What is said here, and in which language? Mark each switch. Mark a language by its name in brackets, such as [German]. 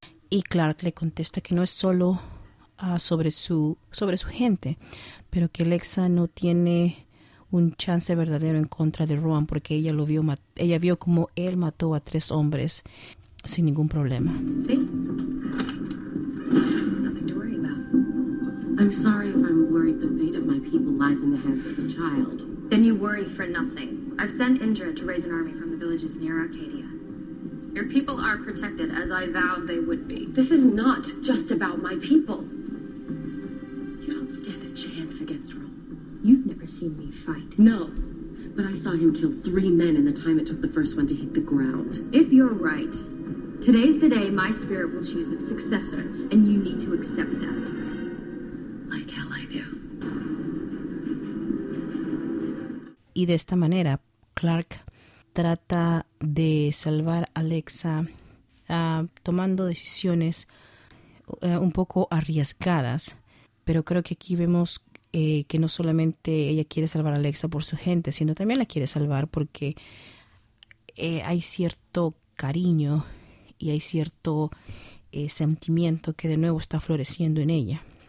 [Spanish] Y Clark le contesta que no es solo sobre su gente, pero que Lexa no tiene un chance verdadero en contra de Rowan, porque ella lo vio, ella vio cómo él mató a 3 hombres sin ningún problema. [English] Sí. Nothing to worry about. I'm sorry if I'm worried the fate of my people lies in the hands of the child. Then you worry for nothing. I've sent Indra to raise an army from the villages near Arcadia. Your people are protected as I vowed they would be. This is not just about my people. You don't stand a chance against Rowan. You've never seen me fight. No, but I saw him kill 3 men in the time it took the first one to hit the ground. If you're right, today's the day my spirit will choose its successor, and you need to accept that. Like hell I do. [Spanish] Y de esta manera, Clark trata de salvar a Lexa tomando decisiones un poco arriesgadas, pero creo que aquí vemos que no solamente ella quiere salvar a Lexa por su gente, sino también la quiere salvar porque hay cierto cariño y hay cierto sentimiento que de nuevo está floreciendo en ella.